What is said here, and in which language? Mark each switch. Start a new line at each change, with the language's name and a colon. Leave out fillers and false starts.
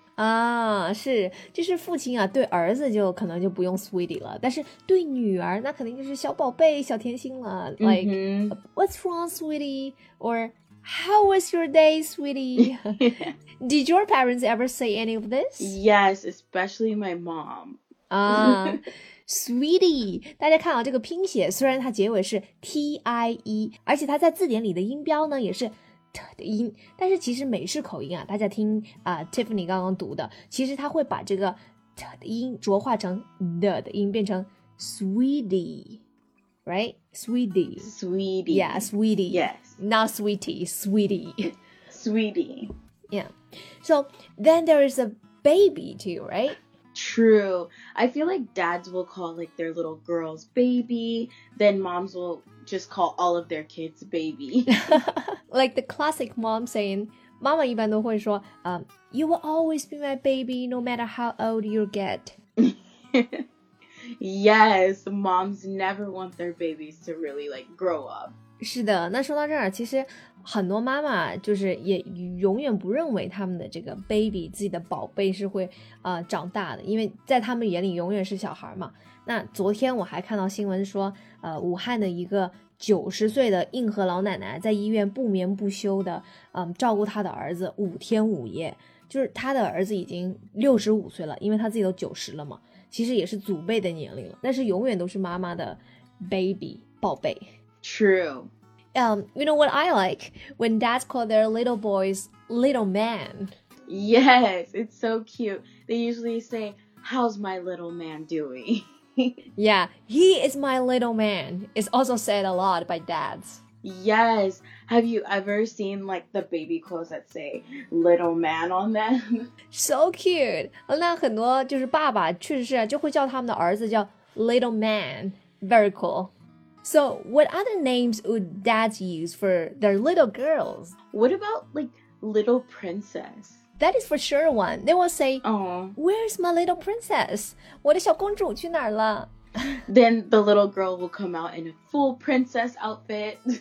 Chinese: 啊，是，就是父亲啊，对儿子就可能就不用 sweetie 了，但是对女儿那肯定就是小宝贝、小甜心了。 Mm-hmm.
English: Like, what's wrong, sweetie? Or how was your day, sweetie? Did your parents ever say any of this? Yes, especially my mom.
Chinese: 啊Sweetie, 大家看到这个拼写，虽然它结尾是 T-I-E, 而且它在字典里的音标呢也是 T 的音，但是其实美式口音啊，大家听Tiffany 刚刚读的，其实它会把这个 T 的音浊化成 The 的音，变成 Sweetie, right?
English: Sweetie. Sweetie. Yeah, Sweetie. Yes. Not Sweetie, Sweetie. Sweetie. Yeah. So, then there is a baby too, right? True. I feel like dads will call like their little girls baby, then moms will just call all of their kids baby. Like the classic mom saying,
Chinese: 妈妈一般都会说
English: you will always be my baby no matter how old you get. Yes, moms never want their babies to really like grow up.
Chinese: 是的，那说到这儿，其实很多妈妈就是也永远不认为他们的这个 baby 自己的宝贝是会长大的，因为在他们眼里永远是小孩嘛。那昨天我还看到新闻说武汉的一个90岁的硬核老奶奶在医院不眠不休的照顾她的儿子5天5夜，就是她的儿子已经65岁了，因为她自己都90了嘛，其实也是祖辈的年龄了，但是永远都是妈妈的 baby 宝贝。
English: True. You know what I like? When dads call their little boys little man. Yes, it's so cute. They usually say, how's my little man doing? Yeah, he is my little man. It's also said a lot by dads. Yes. Have you ever seen like the baby clothes that say little man on them? So cute.
Chinese: 那很多就是爸爸确实是就会叫他们的儿子叫 little man.
English: Very cool. So what other names would dads use for their little girls? What about like little princess? That is for sure one. They will say, where's my little princess?
Chinese: 我的小公主去哪儿了?
English: Then the little girl will come out in a full princess outfit.